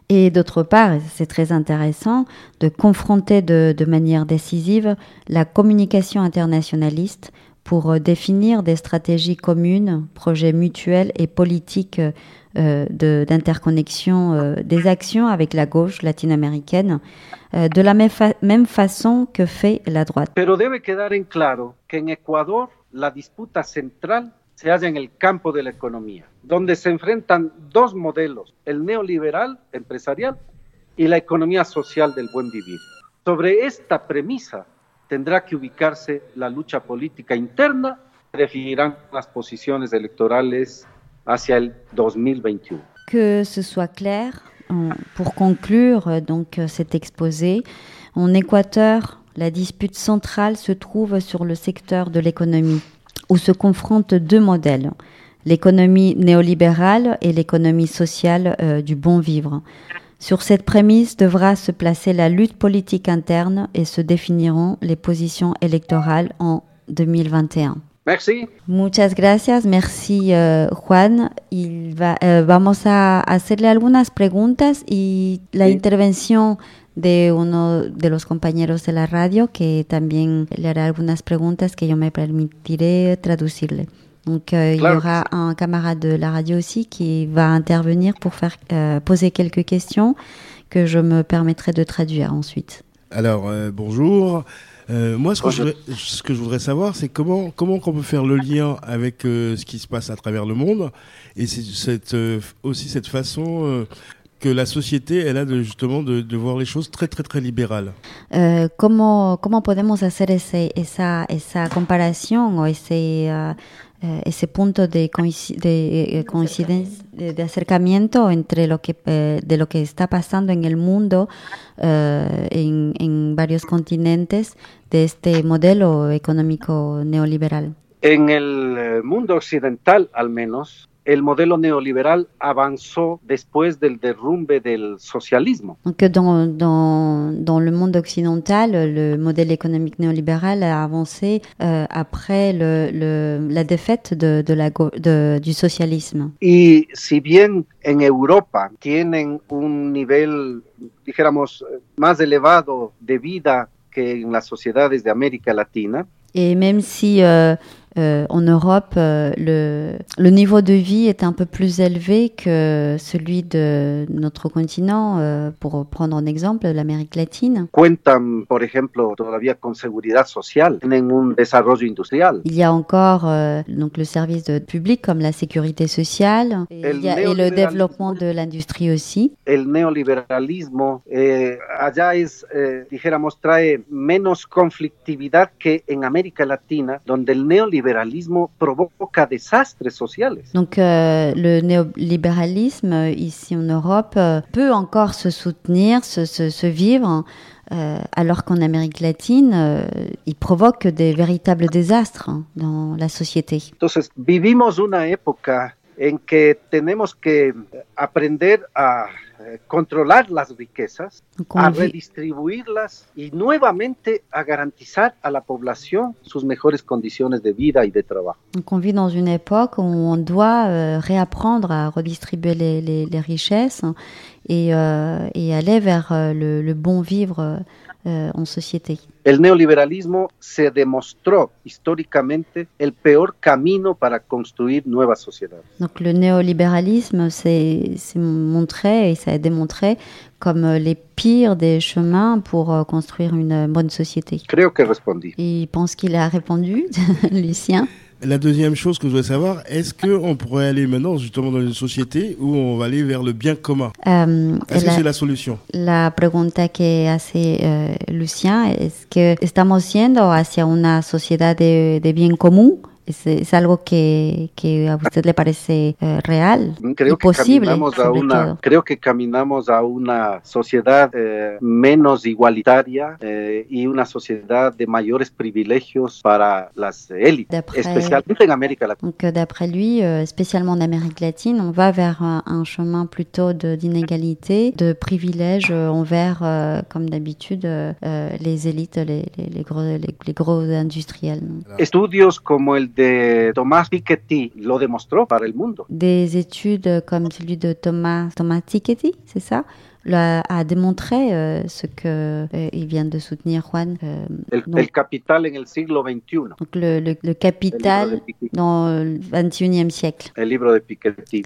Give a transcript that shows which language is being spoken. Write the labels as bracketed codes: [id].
[fr] Et d'autre part, c'est très intéressant de confronter de manière décisive la communication internationaliste pour définir des stratégies communes, projets mutuels et politiques d'interconnexion des actions avec la gauche latino-américaine de la même façon que fait la droite. [es] Pero debe quedar en claro que en Ecuador la disputa central se halla en el campo de la economía, donde se enfrentan dos modelos, el neoliberal empresarial y la economía social del buen vivir. Sobre esta premisa tendrá que ubicarse la lucha política interna que definirán las posiciones electorales hacia el 2021. [fr] Que ce soit clair, pour conclure donc cet exposé, en Équateur, la dispute centrale se trouve sur le secteur de l'économie, où se confrontent deux modèles, l'économie néolibérale et l'économie sociale du bon vivre. Sur cette prémisse devra se placer la lutte politique interne et se définiront les positions électorales en 2021. Merci. [es] Muchas gracias, [fr] merci [es] Juan. Vamos a hacerle algunas preguntas y la sí. intervención de uno de los compañeros de la radio que también le hará algunas preguntas que yo me permitiré traducirle. [fr] Donc, il y aura un camarade de la radio aussi qui va intervenir pour faire poser quelques questions que je me permettrai de traduire ensuite. Alors, bonjour. Moi, ce que je voudrais savoir, c'est comment on peut faire le lien avec ce qui se passe à travers le monde et cette façon que la société, elle a de voir les choses très, très, très libérales. Comment [es] podemos hacer esa comparación o ese punto de acercamiento entre lo que está pasando en el mundo en varios continentes de este modelo económico neoliberal? En el mundo occidental, al menos, el modelo neoliberal avanzó después del derrumbe del socialismo. [fr] Que dans le monde occidental, le modèle économique néolibéral a avancé après la défaite du socialisme. [es] Y si bien en Europa tienen un nivel, dijéramos, más elevado de vida que en las sociedades de América Latina. [fr] Et même si en Europe, le niveau de vie est un peu plus élevé que celui de notre continent, pour prendre un exemple, l'Amérique latine. [es] Cuentan, por ejemplo, todavía con seguridad social, tienen un desarrollo industrial. [fr] Il y a encore donc le service public comme la sécurité sociale et le développement de l'industrie aussi. [es] El neoliberalismo allá es, dijéramos, trae menos conflictividad que en América Latina, donde el neoliberalismo provoca desastres sociales. [fr] Donc le néolibéralisme ici en Europe peut encore se soutenir, se vivre, alors qu'en Amérique latine, il provoque des véritables désastres dans la société. [es] Entonces, vivimos una época en que tenemos que aprender a controlar las riquezas, a redistribuirlas y nuevamente a garantizar a la población sus mejores condiciones de vida y de trabajo. [fr] Donc on vit dans une époque où on doit réapprendre à redistribuer les richesses et aller vers le bon vivre en société. [es] El neoliberalismo se demostró históricamente el peor camino para construir nuevas sociedades. [fr] Donc le néolibéralisme s'est montré et ça a démontré comme les pires des chemins pour construire une bonne société. [es] Creo que respondí. [fr] Il pense qu'il a répondu, Lucien. La deuxième chose que je voudrais savoir, est-ce qu'on pourrait aller maintenant justement dans une société où on va aller vers le bien commun? Est-ce que c'est la solution? [es] La pregunta que hace Lucien, ¿es que estamos yendo hacia una sociedad de bien común? ¿Es algo que a usted le parece real? Creo y posible, que caminamos a una, creo que caminamos a una sociedad menos igualitaria y una sociedad de mayores privilegios para las élites, especialmente en América Latina. [fr] Donc, d'après lui, spécialement en Amérique latine, on va vers un chemin plutôt d'inégalité, de privilèges envers, comme d'habitude, les élites, les gros industriels. [es] Estudios como el de Thomas Piketty lo demostró para el mundo. [fr] Des études comme celui de Thomas Piketty, c'est ça, a démontré ce que il vient de soutenir Juan. [es] El capital en el siglo 21. [fr] Donc le capital dans le 21e siècle. [es] El libro de Piketty.